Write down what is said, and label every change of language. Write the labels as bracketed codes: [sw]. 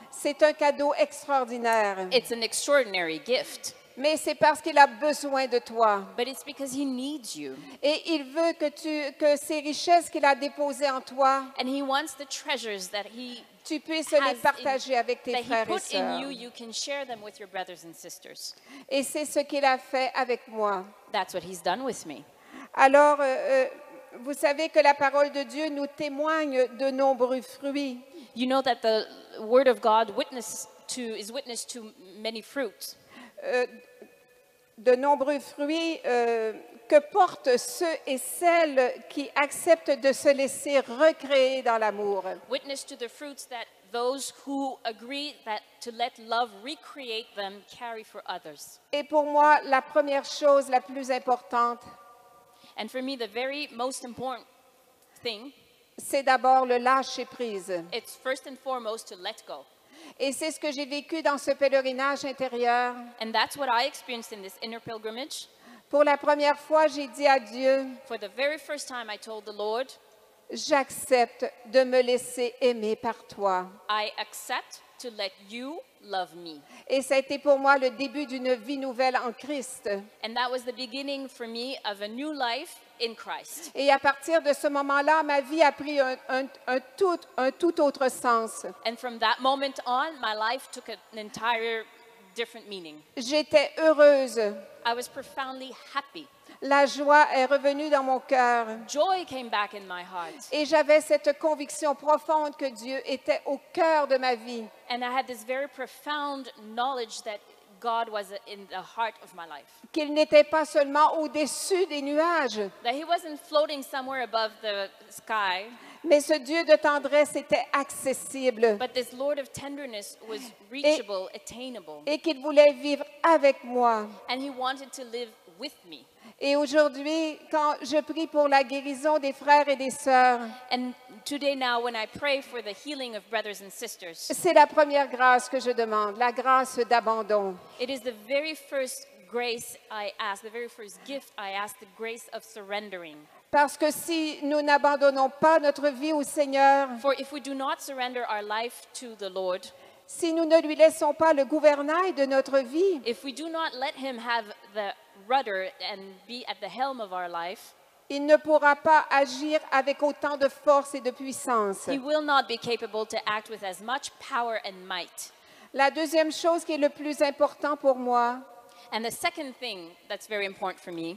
[fr] c'est un cadeau extraordinaire. [en] It's an extraordinary gift. [fr] Mais c'est parce qu'il a besoin de toi. [en] But it's because he needs you. [fr] Et il veut que ces richesses qu'il a déposées en toi, [en] and he wants the treasures that he [fr] tu puisses les partager avec tes frères et sœurs. [en] You can share them with your brothers and sisters. [fr] Et c'est ce qu'il a fait avec moi. [en] That's what he's done with me. [fr] Alors, vous savez que la parole de Dieu nous témoigne de nombreux fruits. [en] You know that the word of God witness to many fruits. [fr] De nombreux fruits que portent ceux et celles qui acceptent de se laisser recréer dans l'amour. [en] Witness to the fruits that those who agree that to let love recreate them carry for others. [fr] Et pour moi, la première chose la plus importante. [en] And for me, the very most important thing, [fr] c'est d'abord le lâcher prise. [en] It's first and foremost to let go. [fr] Et c'est ce que j'ai vécu dans ce pèlerinage intérieur. [en] And that's what I experienced in this inner pilgrimage. [fr] Pour la première fois, j'ai dit à Dieu, [en] for the very first time, I told the Lord, [fr] j'accepte de me laisser aimer par toi. [en] I accept to let you love me. [fr] Et ça a été pour moi le début d'une vie nouvelle en Christ. [en] And that was the beginning for me of a new life in Christ. [fr] Et à partir de ce moment-là, ma vie a pris un tout autre sens. [en] And from that moment on, my life took an entire different meaning. [fr] J'étais heureuse. [en] I was profoundly happy. [fr] La joie est revenue dans mon cœur. [en] Joy came back in my heart. [fr] Et j'avais cette conviction profonde que Dieu était au cœur de ma vie. [en] And I had this very profound knowledge that God was in the heart of my life. [fr] Qu'il n'était pas seulement au-dessus des nuages. [en] That he wasn't floating somewhere above the sky. [fr] Mais ce Dieu de tendresse était accessible. [en] But this Lord of tenderness was reachable, attainable. [fr] Et qu'il voulait vivre avec moi. [en] And he wanted to live with me. [fr] Et aujourd'hui, quand je prie pour la guérison des frères et des sœurs, [en] and today now, when I pray for the healing of brothers and sisters, [fr] c'est la première grâce que je demande, la grâce d'abandon. [en] It is the very first grace I ask, the very first gift I ask, the grace of surrendering. [fr] Parce que si nous n'abandonnons pas notre vie au Seigneur, [en] for if we do not surrender our life to the Lord, [fr] si nous ne lui laissons pas le gouvernail de notre vie, [en] if we do not let him have the rudder and be at the helm of our life, [fr] il ne pourra pas agir avec autant de force et de puissance. [en] He will not be capable to act with as much power and might. [fr] La deuxième chose qui est le plus important pour moi, [en] and the second thing that's very important for me,